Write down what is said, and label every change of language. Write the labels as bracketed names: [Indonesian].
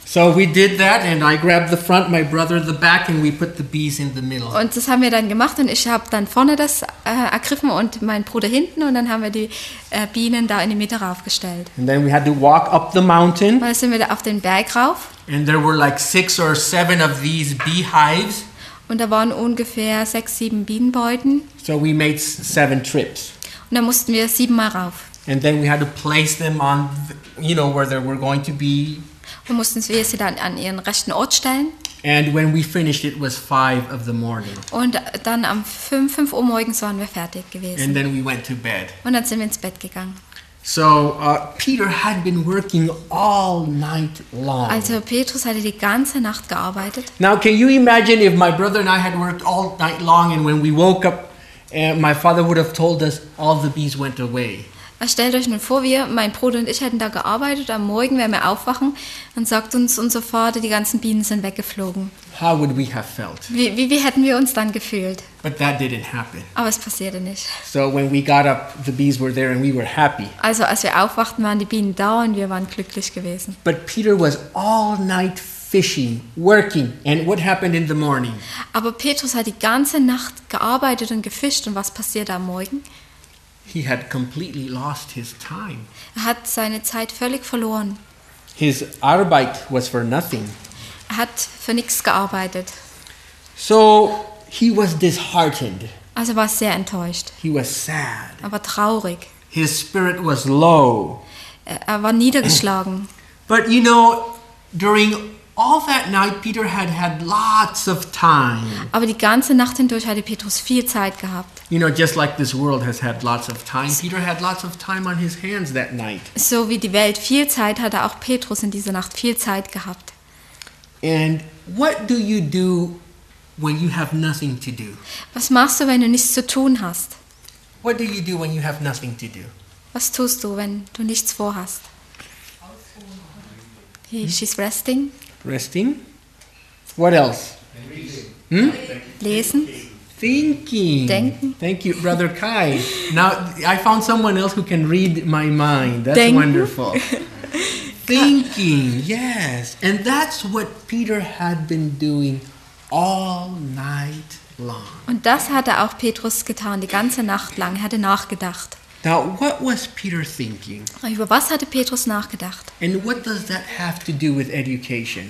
[English] So we did that and I grabbed the front, my brother the back and we put the bees in the middle. [German] Und das haben wir dann gemacht und ich habe dann vorne das ergriffen und mein Bruder hinten und dann haben wir die Bienen da in die Mitte raufgestellt. [English] And then we had to walk up the mountain. [German] Und dann sind wir da auf den Berg rauf. [English] And there were like 6 or 7 of these beehives. [German] Und da waren ungefähr 6, 7 Bienenbeuten. [English] So we made 7 trips. [German] Und dann mussten wir 7-mal rauf. [English] And then we had to place them on, you know, where they were going to be. [German] Wir mussten sie dann an ihren rechten Ort stellen. [English] And when we finished, it was 5 of the morning. [German] Und dann am 5 Uhr morgens waren wir fertig gewesen. [English] And then we went to bed. [German] Und dann sind wir ins Bett gegangen. [English] So Peter had been working all night long. [German] Also Petrus hatte die ganze Nacht gearbeitet. [English] Now can you imagine if my brother and I had worked all night long and when we woke up, my father would have told us all the bees went away. [German] Stellt euch nun vor, wir, mein Bruder und ich, hätten da gearbeitet. Am Morgen werden wir aufwachen. Dann sagt uns unser Vater, die ganzen Bienen sind weggeflogen. [English] How would we have felt? [German] Wie hätten wir uns dann gefühlt? [English] But that didn't happen. [German] Aber es passierte nicht. [English] So when we got up, the bees were there and we were happy. [German] Also als wir aufwachten, waren die Bienen da und wir waren glücklich gewesen. [English] But Peter was all night fishing, working. And what happened in the morning? [German] Aber Petrus hat die ganze Nacht gearbeitet und gefischt. Und was passierte am Morgen? [English] He had completely lost his time. [German] Er hat seine Zeit völlig verloren. [English] His Arbeit was for nothing. [German] Er hat für nichts gearbeitet. [English] So he was disheartened. [German] Also war sehr enttäuscht. [English] He was sad. [German] Aber traurig. [English] His spirit was low. [German] Er war niedergeschlagen. [English] But you know, during all that night Peter had lots of time. [German] Aber die ganze Nacht hindurch hatte Petrus viel Zeit gehabt. [English] You know, just like this world has had lots of time, Peter had lots of time on his hands that night. [German] So wie die Welt viel Zeit hatte, auch Petrus in dieser Nacht viel Zeit gehabt. [English] And what do you do when you have nothing to do? [German] Was machst du, wenn du nichts zu tun hast? [English] What do you do when you have nothing to do? [German] Was tust du, wenn du nichts vorhast? [English] She's resting. Resting. What else? [German] Lesen. [English] Thinking. [German] Denken. [English] Thank you, Brother Kai. Now, I found someone else who can read my mind. That's Denken. Wonderful. Thinking, yes. And that's what Peter had been doing all night long. [German] Und das hatte auch Petrus getan, die ganze Nacht lang. Er hatte nachgedacht. [English] Now, what was Peter thinking? [German] Über was hatte Petrus nachgedacht? [English] And what does that have to do with education?